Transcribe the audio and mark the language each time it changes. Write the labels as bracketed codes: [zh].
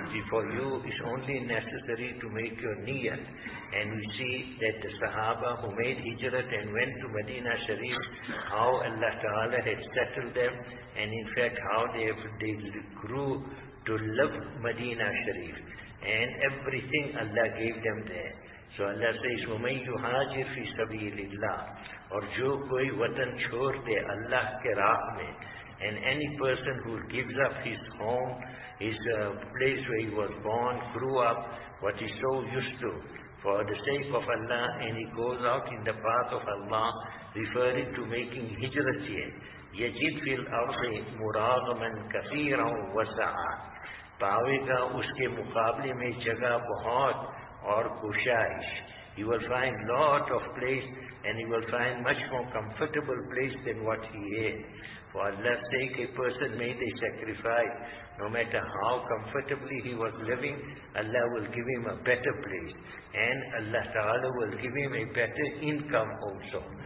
[en] For you, it's only necessary to make your niyat. And we see that the Sahaba who made hijrat and went to Medina Sharif, how Allah Ta'ala had settled them, and in fact how they grew to love Medina Sharif. And everything Allah gave them there. [ar] So Allah says, وَمَنْ يُحَاجِ فِي سَبِيلِ اللَّهِ. [ur] اور جو کوئی وطن چھوڑ دے اللہ کے راہ میں. [en] And any person who gives up his home, his place where he was born, grew up, what he's so used to, for the sake of Allah, and he goes out in the path of Allah, referring to making hijrat here. [ar] يَجِدْ فِي الْأَرْضِ مُرَاغَمًا كَثِيرًا وَسَعًا. [ur] پاوے گا اس کے مقابلے میں جگہ بہت اور کوشائش. [en] He will find lot of place and he will find much more comfortable place than what he had. For Allah's sake, a person made a sacrifice. No matter how comfortably he was living, Allah will give him a better place. And Allah Ta'ala will give him a better income also.